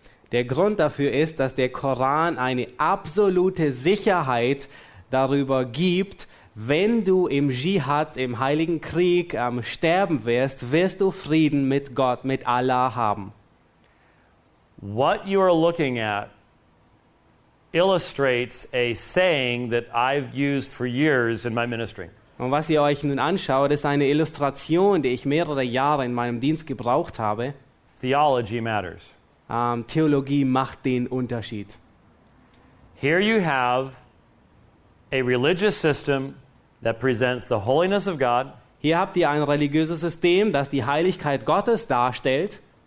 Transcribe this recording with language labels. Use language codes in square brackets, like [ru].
[de] Der Grund dafür ist, dass der Koran eine absolute Sicherheit darüber gibt, wenn du im Jihad, im Heiligen Krieg, sterben wirst, wirst du Frieden mit Gott, mit Allah haben. [en] What you are looking at illustrates a saying that I've used for years in my ministry. [de] Und was ihr euch nun anschaut, ist eine Illustration, die ich mehrere Jahre in meinem Dienst gebraucht habe. [en] Theology matters. [de] Theologie macht den Unterschied. [en] Here you have a religious system that presents the holiness of God. [de] Hier habt ihr ein religiöses System, das die Heiligkeit Gottes darstellt.